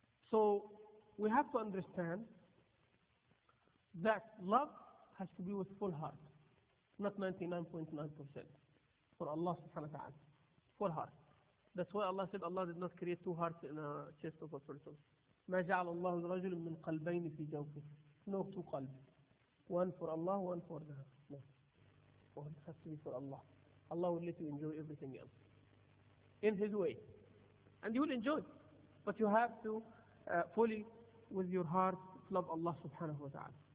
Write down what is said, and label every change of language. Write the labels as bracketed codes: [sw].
[en] So, we have to understand that love has to be with full heart, not 99.9%. for Allah subhanahu wa ta'ala. Full heart. That's why Allah said Allah did not create two hearts in a chest of a person. [ar] ما جعل الله الرجل من قلبين في جوفه. [en] No two قلب. One for Allah, one for the heart. No. Oh, it has to be for Allah. Allah will let you enjoy everything else. In His way. And you will enjoy. But you have to fully with your heart love Allah subhanahu wa ta'ala.